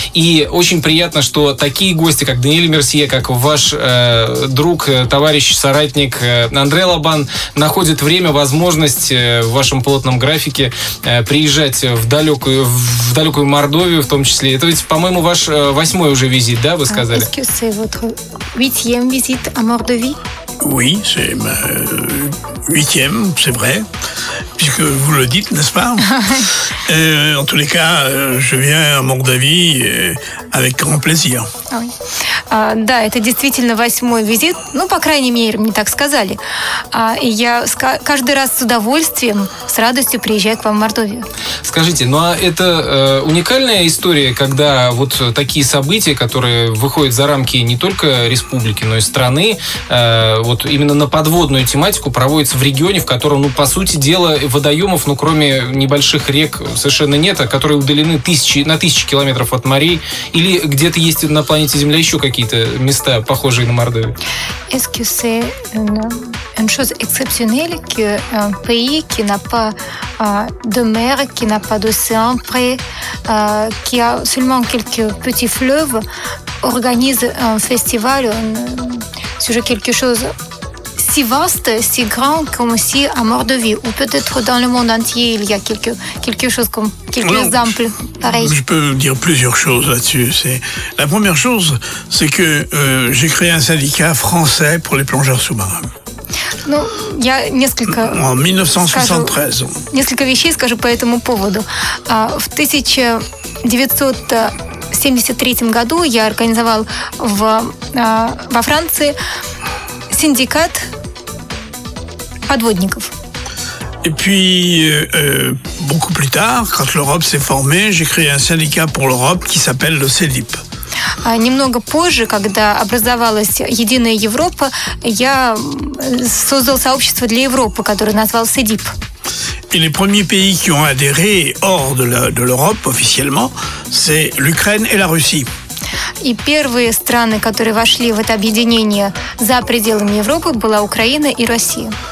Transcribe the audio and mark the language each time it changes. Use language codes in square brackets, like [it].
[ru] И очень приятно, что такие гости, как Даниэль Мерсье, как ваш друг, товарищ, соратник Андре Лобан, находят время, возможность в вашем плотном графике приезжать в далекую Мордовию в том числе. Это ведь, по-моему, ваш восьмой уже визит, да, вы сказали? [fr] Oui, c'est ma huitième, c'est vrai, puisque vous le dites, n'est-ce pas? En tous les cas, je viens à Mordovie avec grand plaisir. [ru] Да, это действительно восьмой визит. Ну, по крайней мере, мне так сказали. И я каждый раз с удовольствием, с радостью приезжаю к вам в Мордовию. Скажите, ну а это уникальная история, когда вот такие события, которые выходят за рамки не только республики, но и страны, вот именно на подводную тематику проводятся в регионе, в котором, ну, по сути дела, водоемов, ну, кроме небольших рек, совершенно нет, а которые удалены на тысячи километров от морей, или где-то есть на планете Земля еще какие-то места, похожие на Мордовию? [fr] Est-ce que c'est une chose exceptionnelle que un pays qui n'a pas de mer, qui n'a pas d'océan près, qui a seulement quelques petits fleuves, organise un festival, c'est quelque chose si vaste, si grand comme ici à Mordovie, ou peut-être dans le monde entier il y a quelques exemples pareils. Je peux dire plusieurs choses là-dessus. C'est la première chose, c'est que j'ai créé un syndicat français pour les plongeurs sous-marins. [ru] Ну, я несколько... [fr] En 1973. [ru] Скажу, несколько вещей скажу по этому поводу. В 1973 году я организовал во Франции Syndicat подводников. [fr] Et puis, beaucoup plus tard, quand l'Europe s'est formée, j'ai créé un syndicat pour l'Europe qui s'appelle le CELIP. [ru] Немного позже, когда образовалась Единая Европа, я создал сообщество для Европы, которое назвал CELIP. [fr] Et les premiers pays qui ont adhéré hors de l'Europe officiellement, c'est l'Ukraine et la Russie. [ru] И первые страны, которые вошли в это объединение за пределами Европы, была Украина и Россия.